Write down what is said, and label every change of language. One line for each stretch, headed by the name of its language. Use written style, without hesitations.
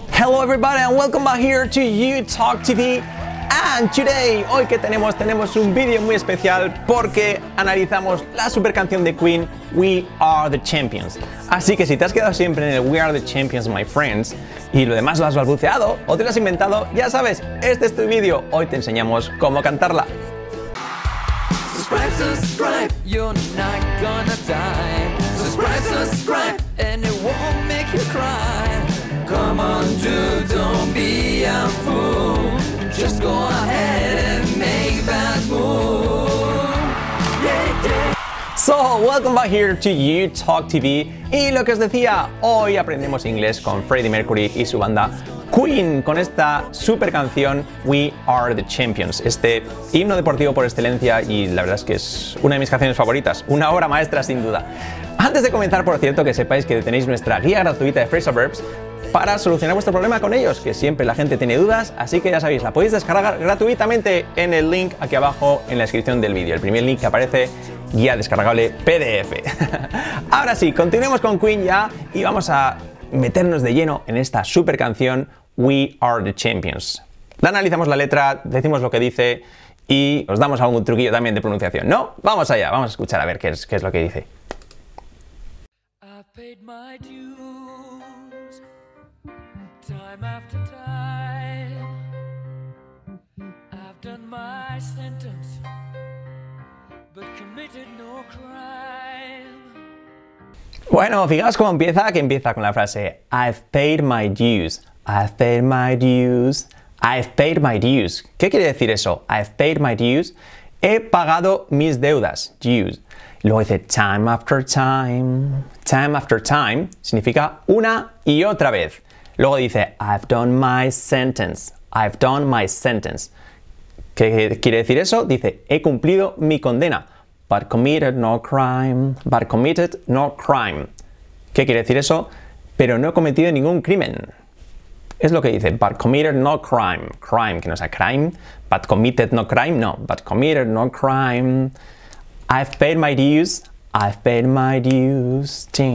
English: Hello everybody and welcome back here to UTalk TV. And today,
Spanish: hoy que tenemos un vídeo muy especial porque analizamos la super canción de Queen, We Are The Champions. Así que si te has quedado siempre en el
English: We Are The Champions, my friends,
Spanish: y lo demás lo has balbuceado o te lo has inventado, ya sabes, este es tu vídeo. Hoy te enseñamos cómo cantarla.
English: Subscribe, you're not gonna die. Subscribe, and it won't make you cry. Come on, dude, don't be a fool. Just go ahead and make that move. Yeah, yeah. So, welcome back here to UTalk TV.
Spanish: Y lo que os decía, hoy aprendemos inglés con Freddie Mercury y su banda Queen, con esta super canción We Are The Champions, este himno deportivo por excelencia, y la verdad es que es una de mis canciones favoritas, una obra maestra sin duda. Antes de comenzar, por cierto, que sepáis que tenéis nuestra guía gratuita de Phrasal Verbs para solucionar vuestro problema con ellos, que siempre la gente tiene dudas, así que ya sabéis, la podéis descargar gratuitamente en el link aquí abajo en la descripción del vídeo, el primer link que aparece, guía descargable PDF. Ahora sí, continuemos con Queen ya y vamos a meternos de lleno en esta super canción We Are The Champions. La analizamos la letra, decimos lo que dice y os damos algún truquillo también de pronunciación, ¿no? Vamos allá, vamos a escuchar a ver qué es lo que dice.
English: I've paid my dues time after time. I've done my sentence but committed no crime.
Spanish: Bueno, fijaos cómo empieza, que empieza con la frase
English: I've paid my dues,
Spanish: I've paid my dues, I've paid my dues. ¿Qué quiere decir eso?
English: I've paid my dues.
Spanish: He pagado mis deudas,
English: dues.
Spanish: Luego dice
English: time after time, time after time.
Spanish: Significa una y otra vez. Luego dice
English: I've done my sentence, I've done my sentence.
Spanish: ¿Qué quiere decir eso? Dice he cumplido mi condena.
English: But committed no crime,
Spanish: but committed no crime. ¿Qué quiere decir eso? Pero no he cometido ningún crimen. Es lo que dice,
English: but committed no crime. Crime,
Spanish: que no sea
English: crime. But committed no crime, no. But committed no crime. I've paid my dues, I've paid my dues.